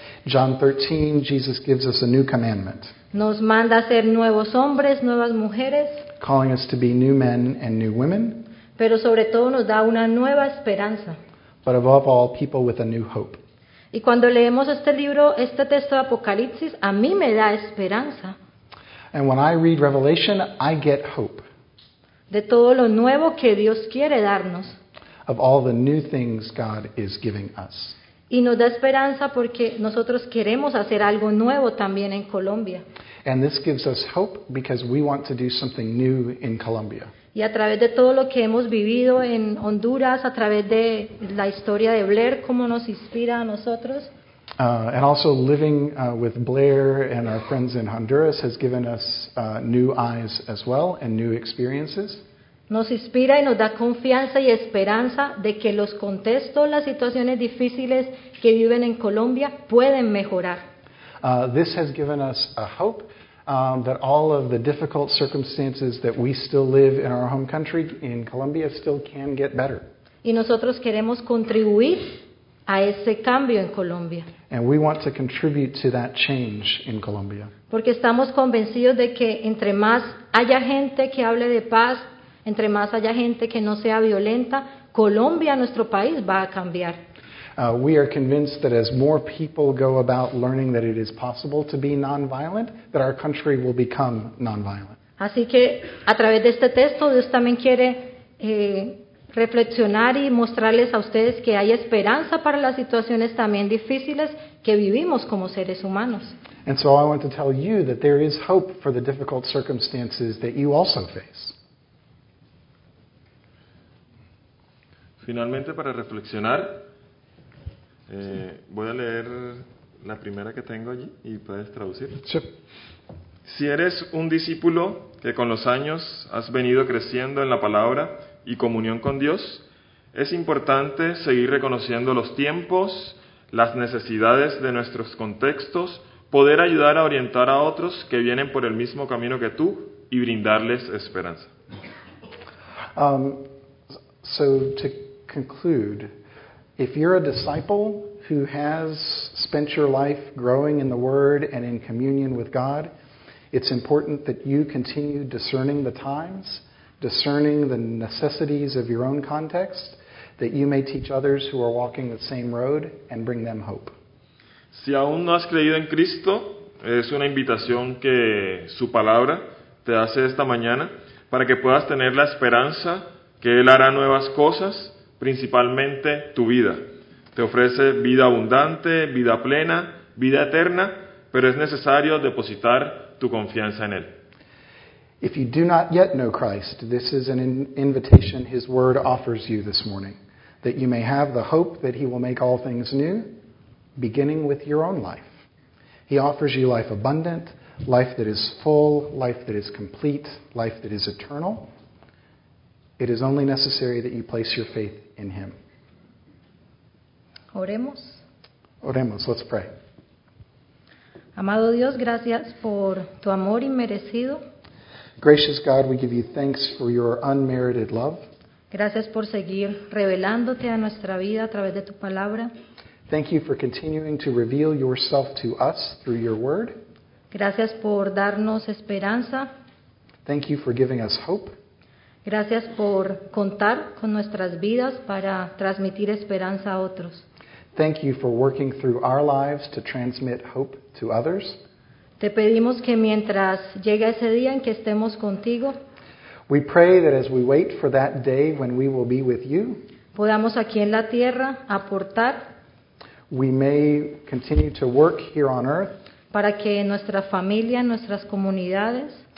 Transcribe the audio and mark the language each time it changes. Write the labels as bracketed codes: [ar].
[en] John 13, Jesus gives us a new commandment. [es] Nos manda a ser nuevos hombres, nuevas mujeres. [en] Calling us to be new men and new women. [es] Pero sobre todo nos da una nueva esperanza. [en] But above all, people with a new hope. [es] Y cuando leemos este libro, este texto de Apocalipsis, a mí me da esperanza. [en] And when I read Revelation, I get hope. [es] De todo lo nuevo que Dios quiere darnos. [en] Of all the new things God is giving us. [es] Y nos da esperanza porque nosotros queremos hacer algo nuevo también en Colombia. [en] And this gives us hope because we want to do something new in Colombia. [es] Y a través de todo lo que hemos vivido en Honduras, a través de la historia de Blair, cómo nos inspira a nosotros. [en] And also living with Blair and our friends in Honduras has given us new eyes as well and new experiences. [es] Nos inspira y nos da confianza y esperanza de que los contextos, las situaciones difíciles que viven en Colombia pueden mejorar. [en] This has given us a hope that all of the difficult circumstances that we still live in our home country in Colombia still can get better. [es] Y nosotros queremos contribuir a ese cambio en Colombia. [en] And we want to contribute to that change in Colombia. [es] Porque estamos convencidos de que entre más haya gente que hable de paz, entre más haya gente que no sea violenta, Colombia, nuestro país, va a cambiar. [en] We are convinced that as more people go about learning that it is possible to be nonviolent, that our country will become nonviolent. [es] Así que, a través de este texto, Dios también quiere reflexionar y mostrarles a ustedes que hay esperanza para las situaciones también difíciles que vivimos como seres humanos. [en] And so I want to tell you that there is hope for the difficult circumstances that you also face. [es] Finalmente, para reflexionar, voy a leer la primera que tengo allí y puedes traducir. [en] Sure. [es] Si eres un discípulo que con los años has venido creciendo en la palabra y comunión con Dios, es importante seguir reconociendo los tiempos, las necesidades de nuestros contextos, poder ayudar a orientar a otros que vienen por el mismo camino que tú y brindarles esperanza. [en] So to conclude, if you're a disciple who has spent your life growing in the Word and in communion with God, it's important that you continue discerning the times, discerning the necessities of your own context, that you may teach others who are walking the same road and bring them hope. [es] Si aún no has creído en Cristo, es una invitación que su palabra te hace esta mañana para que puedas tener la esperanza que Él hará nuevas cosas, principalmente tu vida. Te ofrece vida abundante, vida plena, vida eterna, pero es necesario depositar tu confianza en Él. [en] If you do not yet know Christ, this is an invitation His Word offers you this morning, that you may have the hope that He will make all things new, beginning with your own life. He offers you life abundant, life that is full, life that is complete, life that is eternal. It is only necessary that you place your faith in Him. [es] Oremos. Oremos. [en] Let's pray. [es] Amado Dios, gracias por tu amor inmerecido. [en] Gracious God, we give you thanks for your unmerited love. [es] Gracias por seguir revelándote a nuestra vida a través de tu palabra. [en] Thank you for continuing to reveal yourself to us through your word. [es] Gracias por darnos esperanza. [en] Thank you for giving us hope. [es] Gracias por contar con nuestras vidas para transmitir esperanza a otros. [en] Thank you for working through our lives to transmit hope to others. [es] Te pedimos que mientras llega ese día en que estemos contigo, [en] we pray that as we wait for that day when we will be with you, [es] podamos aquí en la tierra aportar. [en] We may continue to work here on earth. [es] Para que nuestra familia, nuestras comunidades,